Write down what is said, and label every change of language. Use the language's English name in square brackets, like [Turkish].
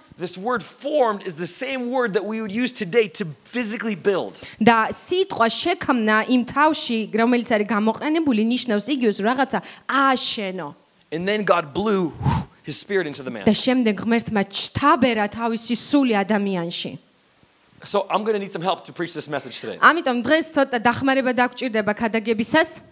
[English] This word formed is the same word that we would use today to physically build. [Georgian] Da სიტყვა შექმნა იმ თავში, რომელიც არის გამოყენებული, ნიშნავს იგივეს, რაღაცა ააშენო. [English] And then God blew his spirit into the man. [Georgian] Da შემდეგ ღმერთმა ჩთაბერა თავისი სული ადამიანში. [English] So I'm going to need some help to preach this message today. [Georgian] Ამიტომ დღეს ცოტა დახმარება დაგჭირდება გადაგებისას.